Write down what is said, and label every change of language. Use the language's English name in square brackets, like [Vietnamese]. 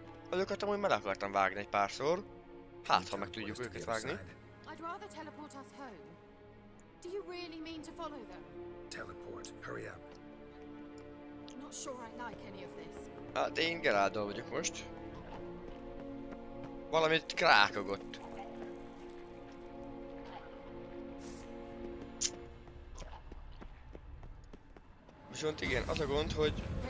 [Hungarian] Azokat amúgy meg akartam vágni egy párszor. Hát, ha meg tudjuk őket vágni. [English] I'd rather teleport us home. Do you really mean to follow them? Teleport, hurry up. Not sure I like any of this. [Hungarian] Hát én Geráldal vagyok most. Valamit krákogott. Viszont igen, az a gond, hogy...